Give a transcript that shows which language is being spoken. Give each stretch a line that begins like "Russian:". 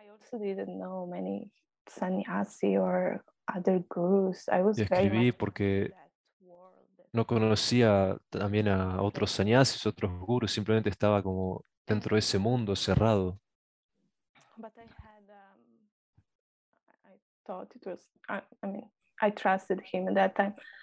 English: I didn't know many sannyasi or other gurus. I was
Spanish: escribí porque no conocía también a otros sannyasis, otros gurus. Simplemente estaba como dentro de ese mundo cerrado.
English: But I had, I thought it was, I mean, I trusted him at that time.